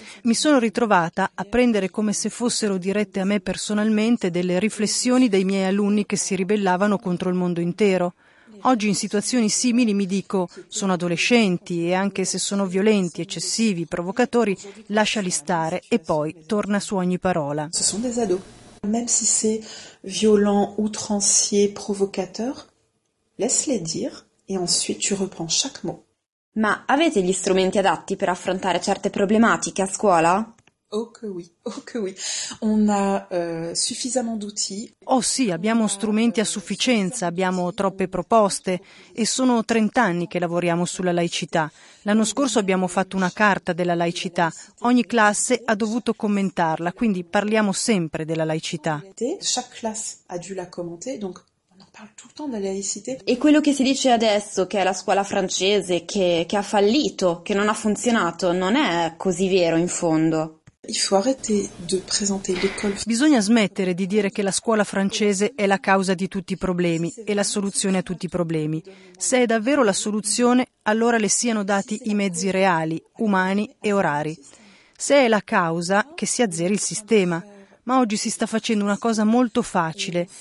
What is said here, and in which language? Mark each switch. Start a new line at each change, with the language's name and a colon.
Italian: Mi sono ritrovata a prendere come se fossero dirette a me personalmente delle riflessioni dei miei alunni che si ribellavano contro il mondo intero. Oggi in situazioni simili mi dico, sono adolescenti e anche se sono violenti, eccessivi, provocatori, lasciali stare e poi torna su ogni parola. Sono dei ados.
French: Même si c'est violent, outrancier, provocateur, laisse-les dire et ensuite tu reprends chaque mot.
Italian: Ma avete gli strumenti adatti per affrontare certe problematiche a scuola?
French: Oh che oui. On a suffisamment d'outils.
Italian: Oh sì, abbiamo strumenti a sufficienza, abbiamo troppe proposte e sono 30 anni che lavoriamo sulla laicità. L'anno scorso abbiamo fatto una carta della laicità. Ogni classe ha dovuto commentarla, quindi parliamo sempre della laicità.
French: Chaque classe a dû la commenter, donc on en parle tout le temps de la laïcité.
Italian: E quello che si dice adesso, che è la scuola francese, che ha fallito, che non ha funzionato, non è così vero in fondo.
French: Il faut arrêter de présenter l'école.
Italian: Bisogna smettere di dire che la scuola francese è la causa di tutti i problemi e la soluzione a tutti i problemi. Se è davvero la soluzione, allora le siano dati i mezzi reali, umani e orari. Se è la causa, che si azzeri il sistema. Ma oggi si sta facendo una cosa molto facile.